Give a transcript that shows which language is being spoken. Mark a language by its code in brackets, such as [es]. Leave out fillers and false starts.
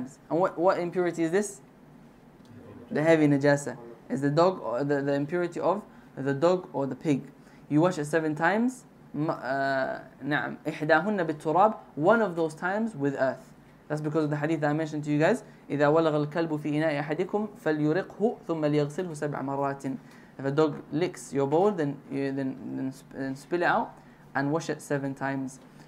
[en] And what impurity is this? The heavy najasa. Is the dog or the impurity of the dog or the pig. You wash it seven times. [ar] نعم إحداهن بالتراب, [en] one of those times with earth. That's because of the hadith that I mentioned to you guys. [ar] إذا ولغ الكلب في إناء أحدكم فليرقه ثم ليغسله سبع مرات. [en] If a dog licks your bowl, then spill it out and wash it seven times.